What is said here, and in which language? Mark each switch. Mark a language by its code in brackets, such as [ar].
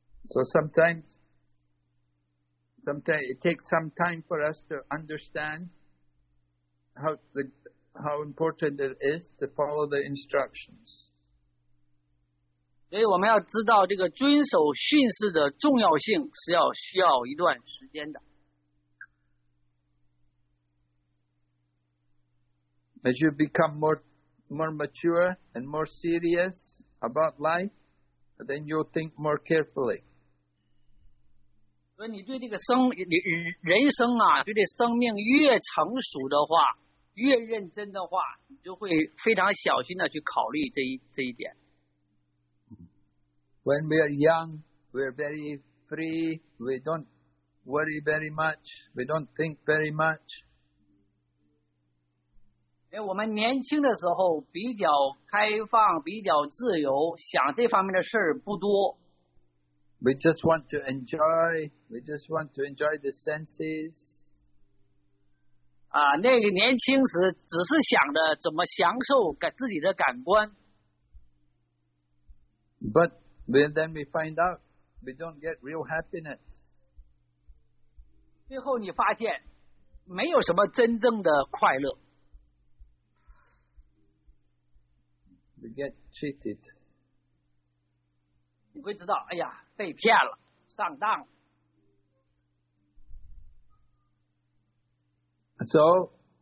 [en] So sometimes it takes some time for us to understand how important it is to follow the instructions. [zh] 所以我们要知道这个遵守训示的重要性是要需要一段时间的。 [en] As you become more mature and more serious about life, then you'll think more carefully. [zh] 所以你对这个人生啊，对这生命越成熟的话，越认真的话，你就会非常小心的去考虑这一点。 [en] When we are young, we are very free. We don't worry very much. We don't think very much. [zh] 哎，我们年轻的时候比较开放，比较自由，想这方面的事儿不多。 [en] We just want to enjoy. We just want to enjoy the senses. [zh] 啊，那个年轻时只是想着怎么享受自己的感官。 [en] But then we find out we don't get real happiness. [zh] 最后你发现没有什么真正的快乐。 [en] We get cheated. [zh] 你会知道，哎呀，被骗了，上当了。 [en] So,